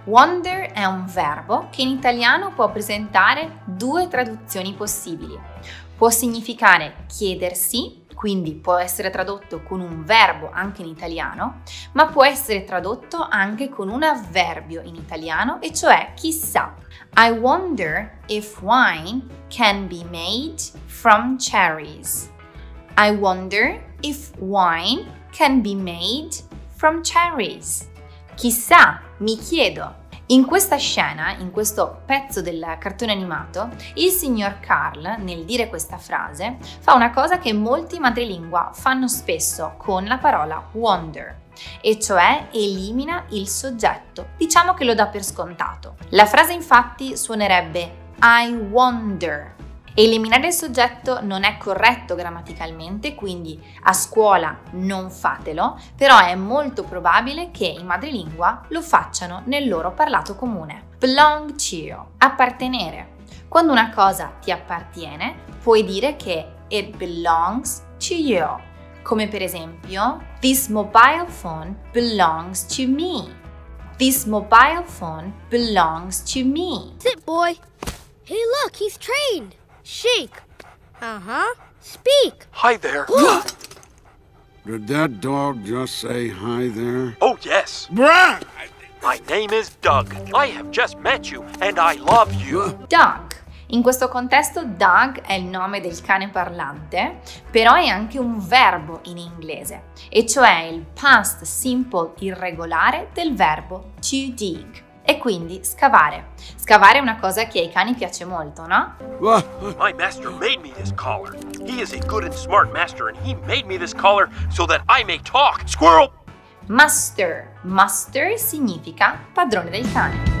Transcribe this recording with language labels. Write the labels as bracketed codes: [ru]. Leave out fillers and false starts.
[it] Wonder è un verbo che in italiano può presentare due traduzioni possibili. Può significare chiedersi, quindi può essere tradotto con un verbo anche in italiano, ma può essere tradotto anche con un avverbio in italiano, e cioè chissà. [en] I wonder if wine can be made from cherries. I wonder if wine can be made from cherries. [it] Chissà, mi chiedo. In questa scena, in questo pezzo del cartone animato, il signor Carl, nel dire questa frase, fa una cosa che molti madrelingua fanno spesso con la parola wonder, e cioè elimina il soggetto. Diciamo che lo dà per scontato. La frase infatti suonerebbe I wonder. Eliminare il soggetto non è corretto grammaticalmente, quindi a scuola non fatelo, però è molto probabile che in madrelingua lo facciano nel loro parlato comune. Belong to, appartenere. Quando una cosa ti appartiene, puoi dire che [en] it belongs to you. [it] Come per esempio, [en] this mobile phone belongs to me. This mobile phone belongs to me. Sit, boy. Hey, look, he's trained. Shake. Uh-huh. Speak. Hi there. Did that dog just say hi there? Oh, yes. Bruh! My name is Doug. I have just met you and I love you. Doug. [it] In questo contesto, Doug è il nome del cane parlante, però è anche un verbo in inglese, e cioè il past simple irregolare del verbo to dig. E quindi scavare. Scavare è una cosa che ai cani piace molto, no? [en] My master made me this collar. He is a good and smart master and he made me this collar so that I may talk. Squirrel! [it] Master. Master significa padrone del cane.